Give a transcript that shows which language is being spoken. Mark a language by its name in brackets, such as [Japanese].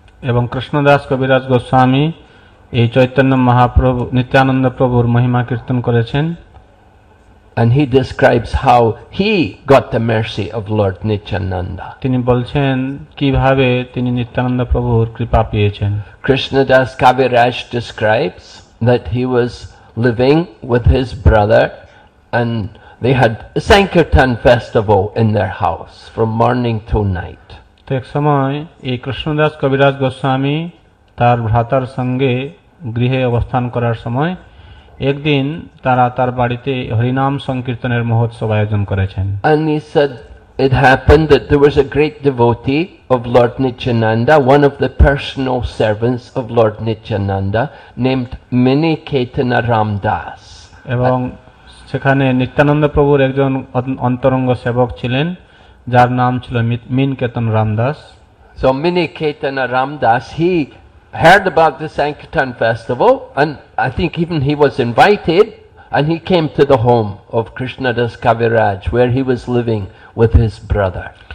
[Bangla] এবং কৃষ্ণদাস কবিরাজ গোস্বামী এই চৈতন্য মহাপ্রভু নিত্যানন্দ প্রভুর মহিমা কীর্তন করেছেন। [English] And he describes how he got the mercy of Lord Nityananda. [Bangla] তিনি বলছেন কিভাবে তিনি নিত্যানন্দ প্রভুর কৃপা পেয়েছেন। [English] Krishna Das Kaviraj describes that he was living with his brother and they had a Sankirtan festival in their house from morning to night. [Bangla] তো এক সময় এই কৃষ্ণদাস কবিরাজ গোস্বামী তার ভ্রাতার সঙ্গে গৃহে অবস্থান করার সময় একদিন তারা তার বাড়িতে হরিনাম সংকীর্তনের মহোৎসব আয়োজন করেছেন। [English] And he said it happened that there was a great devotee of Lord Nityananda, one of the personal servants of Lord Nityananda, named Mini Ketana Ram Das. [Bangla] এবং সেখানে নিত্যানন্দ প্রভুর একজন অন্তরঙ্গ সেবক ছিলেন যার নাম ছিল মিন কেতন Ramdas. [English] So Mini Ketana Ram Das, he heard about the Sankirtan festival and I think even he was invited and he came to the home of Krishna Das Kaviraj where he was living with his brother.